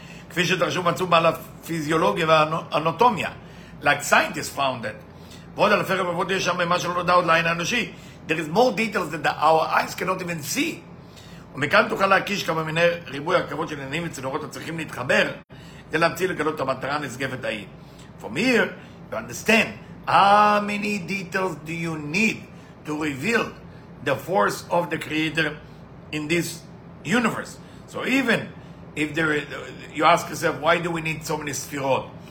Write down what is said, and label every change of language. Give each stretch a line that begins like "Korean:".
Hebrew: כפי שדרשו מצאו בעל הפיזיולוגיה והאנטומיה.
English: Like scientists found it.
Hebrew: ועוד אלפי רבבות יש שם מה שלא נודע עוד לעין האנושי.
English: There is more details that our eyes cannot even see.
Hebrew: ומכאן תוכל להקיש כמה מיני ריבוי הרכבות של עניינים וצינורות הצריכים להתחבר,
English: From here, you understand how many details do you need to reveal the force of the Creator in this universe. So even if there, you ask yourself, why do we need so many Sfirot?